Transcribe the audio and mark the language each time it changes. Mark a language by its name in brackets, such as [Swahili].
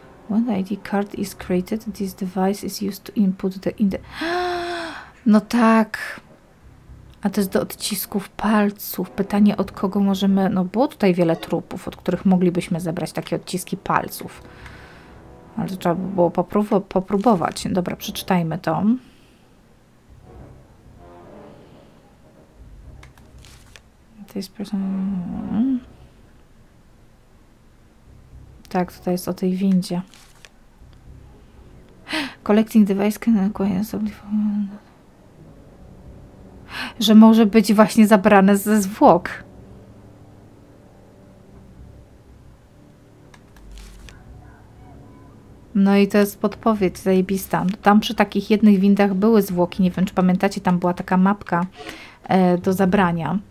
[English] When the ID card is created, this device is used to input the [Polish] No tak! A to jest do odcisków palców. Pytanie, od kogo możemy... No było tutaj wiele trupów, od których moglibyśmy zebrać takie odciski palców. Ale to trzeba by było popróbować. Dobra, przeczytajmy to. [English] This person... [Polish] Tak, tutaj jest o tej windzie. [English] Collecting device can acquire some... [Polish] Że może być właśnie zabrane ze zwłok. No i to jest podpowiedź zajebista. Tam przy takich jednych windach były zwłoki. Nie wiem, czy pamiętacie, tam była taka mapka do zabrania.